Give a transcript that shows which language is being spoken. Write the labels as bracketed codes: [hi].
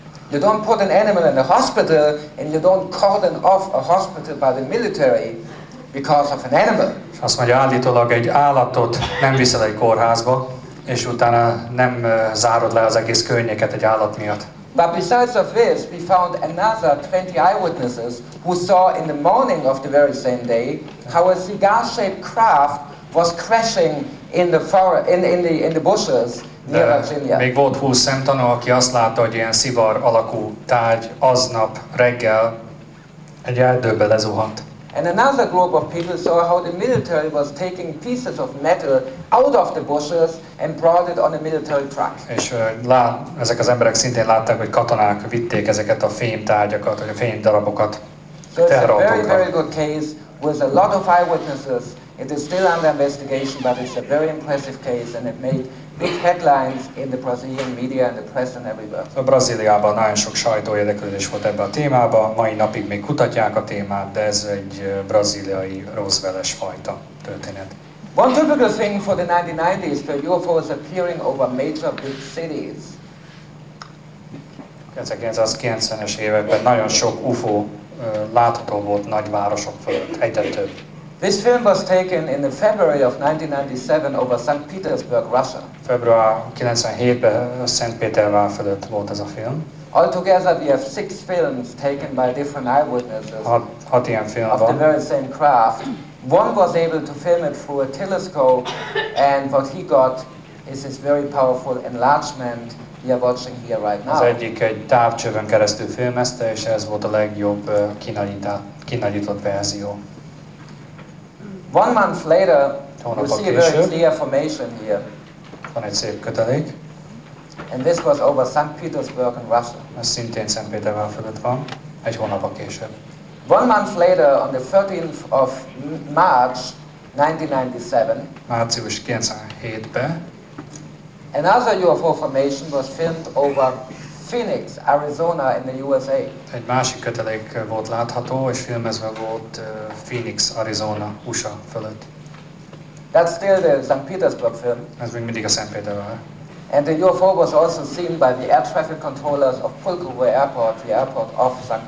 [en] You don't put an animal in a hospital, and you don't cordon off a hospital by the military because of an animal. [hu] És azt mondja, állítólag egy állatot nem viszel egy kórházba, és utána nem zárod le az egész környéket egy állat miatt. [en] But besides of this, we found another 20 eyewitnesses who saw in the morning of the very same day how a cigar-shaped craft was crashing in the forest, in the bushes near Virginia. [hu] Még volt 20 szemtanú, aki azt látta, hogy ilyen szivar alakú tárgy aznap reggel egy erdőbe lezuhant. [en] And another group of people saw how the military was taking pieces of metal out of the bushes and brought it on a military truck. [hu] És ezek az emberek szintén látták, hogy katonák vitték ezeket a fém tárgyakat, vagy a fém darabokat. [en] So it's a very, very good case with a lot of eyewitnesses. It is still under investigation, but it's a very impressive case, and it made big headlines in the Brazilian media and the press and everywhere. [hu] A Brazíliában nagyon sok sajtó érdeklődés volt ebbe a témába. Mai napig még kutatják a témát, de ez egy braziliai Roswell-es fajta történet. [en] One typical thing for the 1990s were UFOs appearing over major big cities. [hu] 1990-es években nagyon sok UFO látható volt nagyvárosok fölött, egyre több. [en] This film was taken in the February of 1997 over St. Petersburg, Russia. [hu] Február 97-ben Szent Pétervár fölött volt ez a film. [en] Altogether we have 6 films taken by different eyewitnesses. [hu] Hat ilyen film [en] van. Of the very same craft. One was able to film it through a telescope, and what he got is this very powerful enlargement we are watching here right now. [hu] Az egyik egy távcsövön keresztül filmezte, és ez volt a legjobb kinagyított verzió. [en] One month later, you see a very clear formation here. [hu] Van egy szép kötelék. [en] And this was over St. Petersburg in Russia. [hu] Ez szintén Szent Pétervár fölött van, egy hónap a később. [en] One month later, on the 13th of March 1997, [hu] március 97-ben, [en] another UFO formation was filmed over Phoenix, Arizona in the USA. [hu] Egy másik kötelék volt látható, és filmezve volt Phoenix, Arizona, USA fölött. [en] That's still the St. Petersburg film. [hu] Ez még mindig a Szent Pétervár. [en] And the UFO was also seen by the air traffic controllers of Pulkovo Airport, the airport of St.